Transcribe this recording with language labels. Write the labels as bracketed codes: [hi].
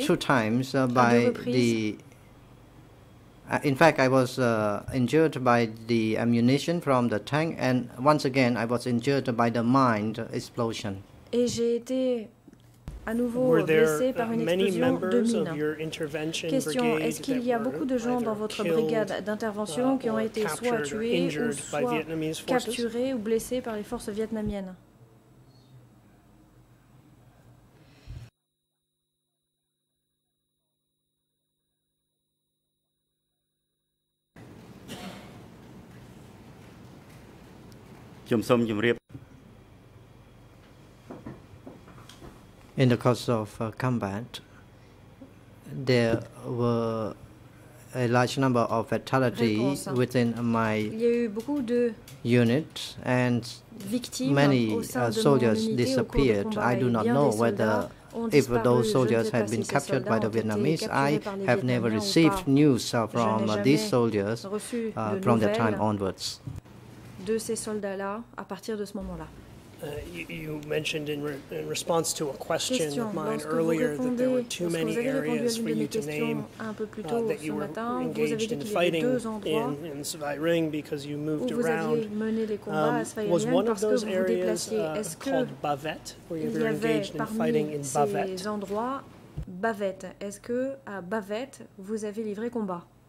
[en] two times by the in fact, I was injured by the ammunition from the tank, and once again, I was injured by the mine explosion. [fr] Et j'ai été à nouveau blessé par une explosion de mine. Question, est-ce qu'il y a beaucoup de gens dans votre brigade d'intervention qui ont été soit tués ou soit capturés ou blessés par les forces vietnamiennes? [en] In the course of combat, there were a large number of fatalities within my unit, and many soldiers disappeared. I do not know whether if those soldiers had been captured by the Vietnamese. I have never received news from these soldiers from that time onwards. [fr] De ces soldats-là à partir de ce moment-là. [en] You mentioned in response to a question question, of mine earlier that there were too many areas for you to name that you were [fr] matin, [en] engaged in fighting in Zweiring because you moved around. Was one of those areas called Bavette? Were you very engaged in fighting in Bavette? [fr] Ces endroits, Bavette. Est-ce que à Bavette, vous avez livré combat?